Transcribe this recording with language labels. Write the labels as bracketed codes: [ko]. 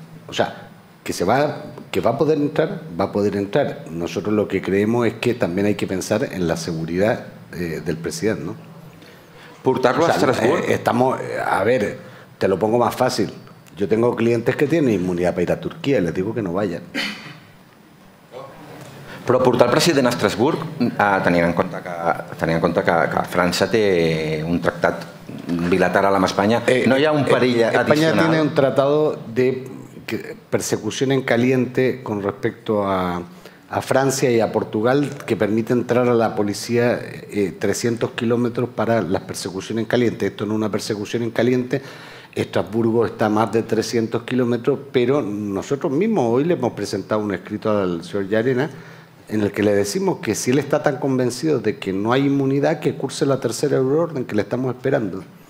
[es] O sea, que va a poder entrar, va a poder entrar. Nosotros lo que creemos es que también hay que pensar en la seguridad del presidente, ¿no? ¿Portarlo a Estrasburgo? Te lo pongo más fácil. Yo tengo clientes que tienen inmunidad para ir a Turquía y les digo que no vayan. [ca] Però portar el president a Estrasburg, tenint en compte que França té un tractat bilateral amb Espanya, no hi ha un perill adicional? [es] Espanya tiene un tratado de persecución en caliente con respecto a Francia y a Portugal que permite entrar a la policía 300 kilómetros para las persecuciones en caliente. Esto no es una persecución en caliente. Estrasburgo está a más de 300 kilómetros, pero nosotros mismos hoy le hemos presentado un escrito al señor Llarena en el que le decimos que si él está tan convencido de que no hay inmunidad, que curse la tercera euroorden que le estamos esperando.